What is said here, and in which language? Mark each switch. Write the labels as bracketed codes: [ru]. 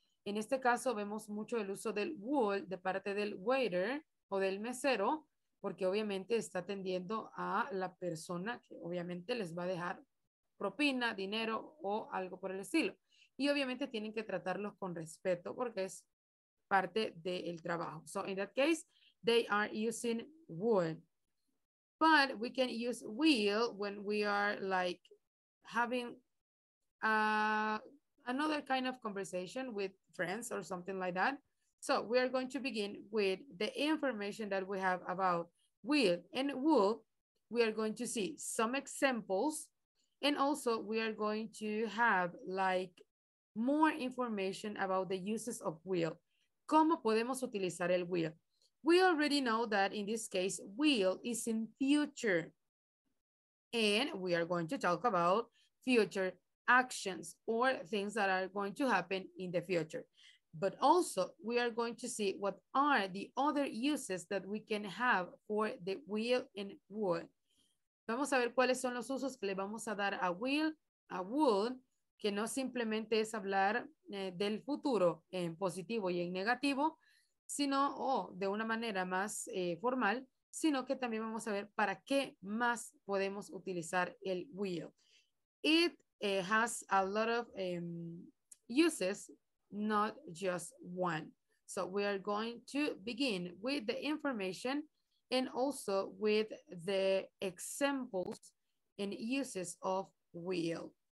[es] En este caso vemos mucho el uso del would de parte del waiter o del mesero, porque obviamente está atendiendo a la persona que obviamente les va a dejar propina, dinero o algo por el estilo. Y obviamente tienen que tratarlos con respeto porque es parte del trabajo. [en] So in that case, they are using would. But we can use will when we are like having another kind of conversation with friends or something like that. So we are going to begin with the information that we have about will and would. We are going to see some examples. And also we are going to have like more information about the uses of will. [es] ¿Cómo podemos utilizar el will? [en] We already know that in this case, will is in future. And we are going to talk about future actions or things that are going to happen in the future. But also we are going to see what are the other uses that we can have for the will and would. [es] Vamos a ver cuáles son los usos que le vamos a dar a will, a would, que no simplemente es hablar del futuro en positivo y en negativo, sino de una manera más formal, sino que también vamos a ver para qué más podemos utilizar el will. [en] It has a lot of uses, not just one. So we are going to begin with the information and also with the examples and uses of will.